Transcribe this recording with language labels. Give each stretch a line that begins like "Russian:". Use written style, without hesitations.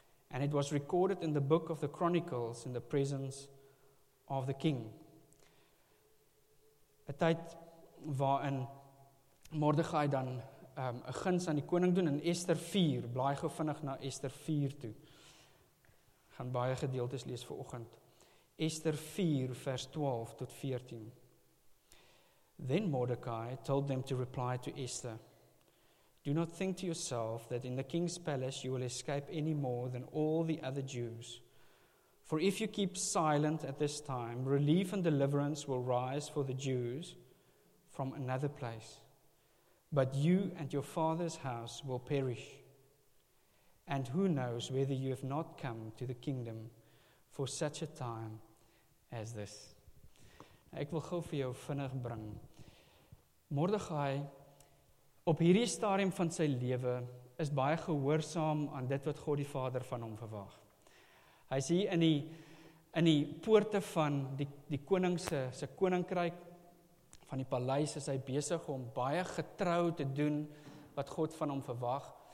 English: And it was recorded in the book of the Chronicles in the presence of the king.
Afrikaans: 'N tyd waarin Mordegai dan 'n guns aan die koning doen in Esther 4. Blaai gou vinnig na Esther 4 toe. Gaan baie gedeeltes lees vir oggend. Esther 4 vers 12 tot 14.
English: Then Mordecai told them to reply to Esther. Do not think to yourself that in the king's palace you will escape any more than all the other Jews. For if you keep silent at this time, relief and deliverance will rise for the Jews from another place. But you and your father's house will perish. And who knows whether you have not come to the kingdom for such a time as this.
Afrikaans: Ek wil gou vir jou vinnig bring. Mordegai Op hierdie stadium van sy lewe is baie gehoorsaam aan dit wat God die Vader van hom verwag. Hy is hier in die poorte van die koning se koninkryk, van die paleis is hy besig om baie getrou te doen wat God van hom verwag.